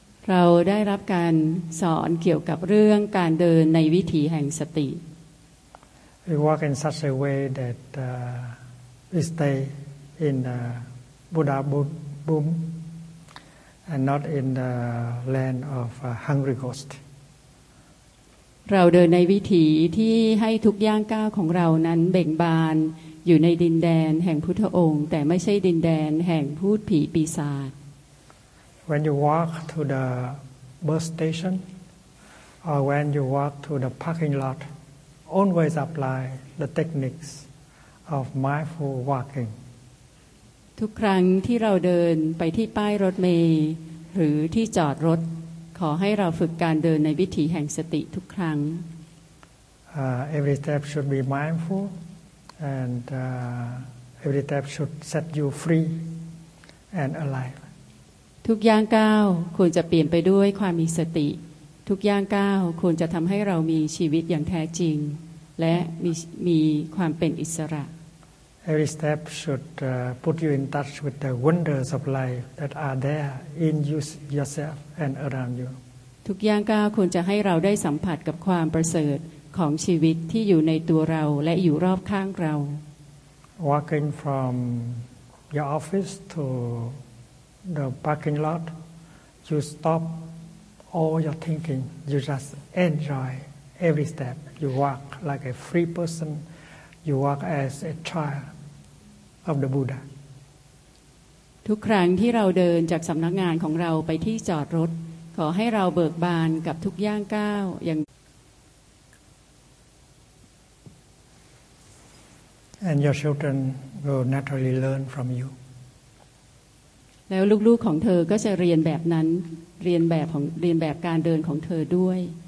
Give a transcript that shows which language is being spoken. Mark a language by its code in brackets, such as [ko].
[th] เราได้รับการสอนเกี่ยวกับเรื่องการเดินในวิถีแห่งสติ [en] We walk in such a way that we stay in the Buddha Bum and not in the land of hungry ghost. [th] เราเดินในวิถีที่ให้ทุกย่างก้าวของเรานั้นเบ่งบานอยู่ในดินแดนแห่งพุทธองค์แต่ไม่ใช่ดินแดนแห่งพูดผีปีศาจ [en] When you walk to the bus station or when you walk to the parking lot, always apply the techniques of mindful walking. [th] ทุกครั้งที่เราเดินไปที่ป้ายรถเมล์หรือที่จอดรถขอให้เราฝึกการเดินในวิถีแห่งสติทุกครั้ง [en] Every step should be mindful and every step should set you free and alive [th] ทุกย่างก้าวควรจะเปลี่ยนไปด้วยความมีสติทุกย่างก้าวควรจะทำให้เรามีชีวิตอย่างแท้จริงและมีความเป็นอิสระ [en] Every step should put you in touch with the wonders of life that are there in you, yourself, and around you. [th] ทุกย่างก้าวควรจะให้เราได้สัมผัสกับความประเสริฐของชีวิตที่อยู่ในตัวเราและอยู่รอบข้างเรา [en] Walking from your office to the parking lot, you stop all your thinking. You just enjoy every step. You walk like a free person. You walk as a child. Of the Buddha. [th] ทุกครั้งที่เราเดินจากสำนักงานของเราไปที่จอดรถขอให้เราเบิกบานกับทุกย่างก้าวอย่าง [en] And your children will naturally learn from you. [th] แล้วลูกๆของเธอก็จะเรียนแบบนั้นเรียนแบบการเดินของเธอด้วย